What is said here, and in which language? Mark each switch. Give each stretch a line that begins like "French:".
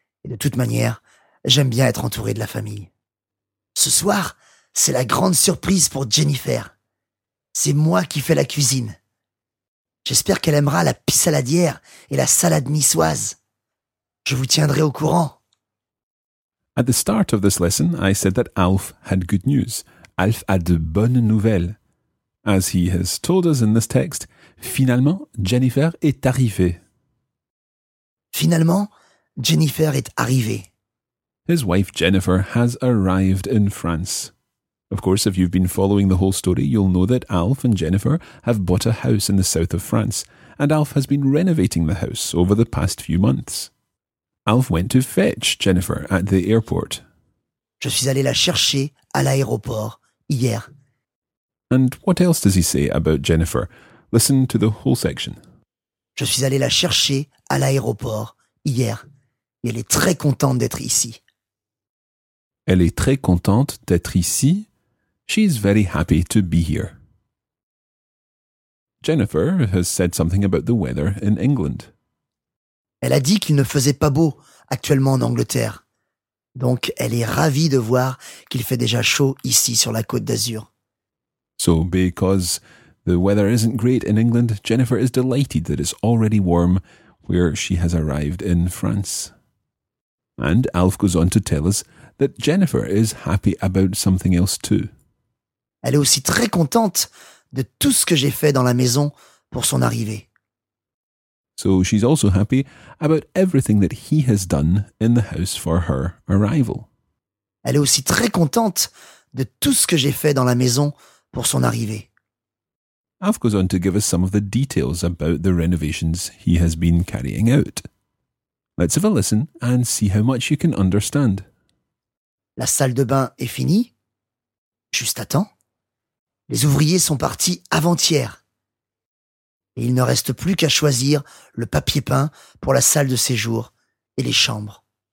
French: Et de toute manière, j'aime bien être entouré de la famille. Ce soir, c'est la grande surprise pour Jennifer. C'est moi qui fais la cuisine. J'espère qu'elle aimera la pissaladière et la salade niçoise. Je vous tiendrai au courant.
English: At the start of this lesson, I said that Alf had good news.
French: Alf a de bonnes nouvelles.
English: As he has told us in this text,
French: finalement, Jennifer est arrivée. Finalement, Jennifer est arrivée.
English: His wife Jennifer has arrived in France. Of course, if you've been following the whole story, you'll know that Alf and Jennifer have bought a house in the south of France, and Alf has been renovating the house over the past few months. Alf went to fetch Jennifer at the airport.
French: Je suis allé la chercher à l'aéroport hier.
English: And what else does he say about Jennifer? Listen to the whole section.
French: Je suis allé la chercher à l'aéroport hier. Et elle est très contente d'être ici. Elle est très contente d'être ici.
English: She is very happy to be here. Jennifer has said something about the weather in England.
French: Elle a dit qu'il ne faisait pas beau actuellement en Angleterre. Donc, elle est ravie de voir qu'il fait déjà chaud ici sur la Côte d'Azur.
English: So, because the weather isn't great in England, Jennifer is delighted that it's already warm where she has arrived in France. And Alf goes on to tell us that Jennifer is happy about something else too.
French: Elle est aussi très contente de tout ce que j'ai fait dans la maison pour son arrivée.
English: So she's also happy about everything that he has done in the house for her arrival.
French: Elle est aussi très contente de tout ce que j'ai fait dans la maison pour son arrivée.
English: Alf goes on to give us some of the details about the renovations he has been carrying out. Let's have a listen and see how much you can understand.
French: La salle de bain est finie, juste à temps. Les ouvriers sont partis avant-hier. et il ne reste plus qu'à choisir le papier peint pour la salle de séjour et les chambres.